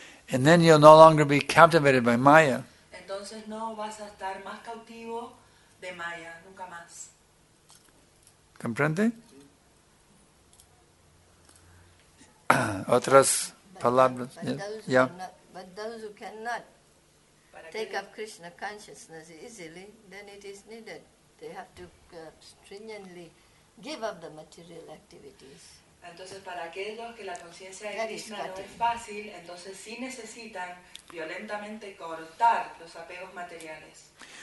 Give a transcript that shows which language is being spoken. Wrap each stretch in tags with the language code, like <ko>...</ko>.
<en>And then you'll no longer be captivated by Maya.</en> <es>Entonces no vas a estar más cautivo de Maya, nunca más. ¿Comprende? Otras palabras.</es> <en>But those who cannot take up Krishna consciousness easily, then it is needed. They have to stringently give up the material activities.</en> <es>Entonces, para aquellos que la conciencia de Krishna no es fácil, entonces sí necesitan violentamente cortar los apegos materiales.</es>